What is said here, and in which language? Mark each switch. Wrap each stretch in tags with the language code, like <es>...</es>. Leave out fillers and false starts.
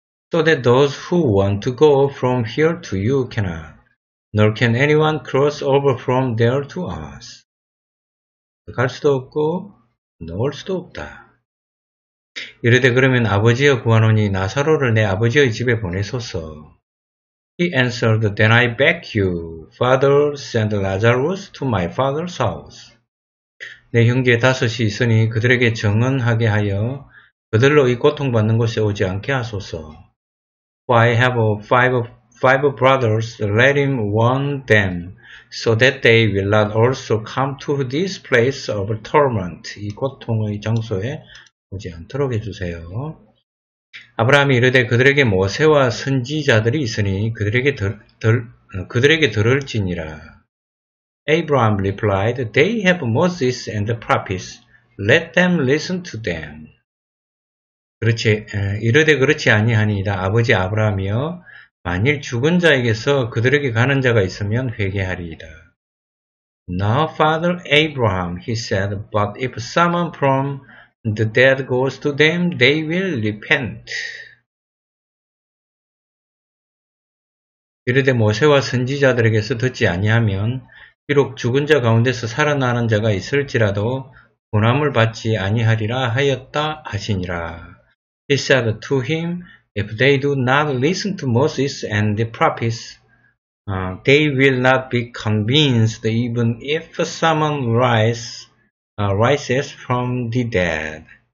<en>So that those who want to go from here to you cannot, nor can anyone cross over from there to us.</en> <ko>갈 수도 없고 넣을 수도 없다. 이르되 그러면 아버지여 구하노니 나사로를 내 아버지의 집에 보내소서.</ko> <en>He answered, Then I beg you, Father, send Lazarus to my father's house.</en> <ko>내 형제 다섯이 있으니 그들에게 증언하게 하여 그들로 이 고통받는 곳에 오지 않게 하소서.</ko> <en>For I have five brothers, let him warn them, so that they will not also come to this place of torment.</en> <ko>이 고통의 장소에 오지 않도록 해주세요. 아브라함이 이르되 그들에게 모세와 선지자들이 있으니 그들에게 들을지니라.</ko> <en>Abraham replied, They have Moses and the prophets. Let them listen to them.</en> <ko>그렇지, 이르되 그렇지 아니하니이다. 아버지 아브라함이여, 만일 죽은 자에게서 그들에게 가는 자가 있으면 회개하리이다.</ko> <en>Now, Father Abraham, he said, But if someone from the dead goes to them, they will repent.</en> <ko>이르되 모세와 선지자들에게서 듣지 아니하면, 비록 죽은 자 가운데서 살아나는 자가 있을지라도 보남을 받지 아니하리라 하였다 하시니라.</ko> <en>He said to him, If they do not listen to Moses and the prophets, they will not be convinced even if someone rises from the dead.</en>